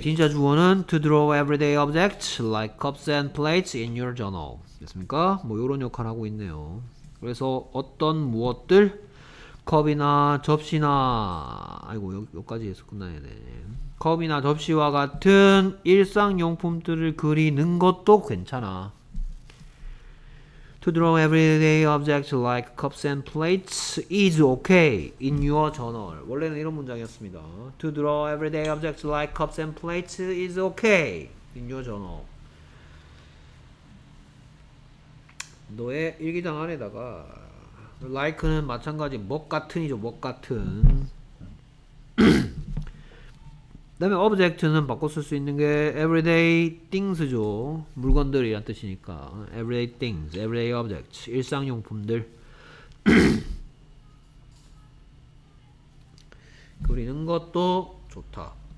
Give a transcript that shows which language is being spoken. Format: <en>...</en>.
<ko>진짜 주어는</ko> <en>to draw everyday objects like cups and plates in your journal.</en> <ko>됐습니까? 뭐 요런 역할 하고 있네요. 그래서 어떤 무엇들? 컵이나 접시나 아이고 여기까지에서 끝나야 되네. 컵이나 접시와 같은 일상용품들을 그리는 것도 괜찮아.</ko> <en>To draw everyday objects like cups and plates is okay in your journal.</en> <ko>원래는 이런 문장이었습니다.</ko> <en>To draw everyday objects like cups and plates is okay in your journal.</en> <ko>너의 일기장 안에다가 like는 마찬가지 먹같은이죠. 먹같은. 그 다음에 object는 바꿔 쓸 수 있는 게 everyday things죠. 물건들이란 뜻이니까 everyday things, everyday objects, 일상용품들 그리는 것도 좋다.</ko>